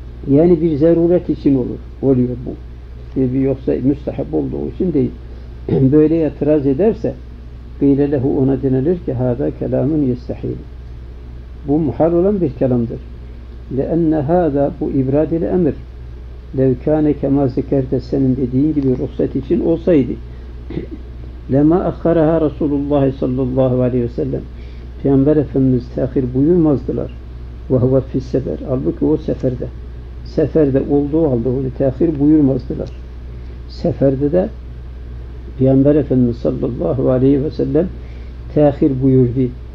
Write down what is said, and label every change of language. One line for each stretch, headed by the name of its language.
Turkish: Yani bir zaruret için olur, oluyor bu. Yoksa müstehap olduğu için değil. Böyle itiraz ederse
Arabic: قِيلَ لَهُ.
Turkish: Ona denilir ki
Arabic: هَذَا كَلَامٌ يَسْتَحِيلُ.
Turkish: Bu muhal olan bir kelamdır.
Arabic: لَاَنَّ هَذَا.
Turkish: Bu ibrad ile emir.
Arabic: لَوْكَانَ كَمَا زِكَرْتَ.
Turkish: Senin dediğin gibi ruhsat için olsaydı
Arabic: لَمَا أَخَّرَهَا رَسُولُ اللّٰهِ صَلَّى اللّٰهُ عَلَيْهِ وَسَلَّمُ.
Turkish: Peygamber Efendimiz tehir buyurmazdılar.
Arabic: وَهُوَ فِي السَّفَرِ.
Turkish: Halbuki o seferde. Seferde olduğu halde onu tehir buyurmazdılar. Seferde de Peygamber Efendimiz sallallahu aleyhi ve sellem tehir buyurdu.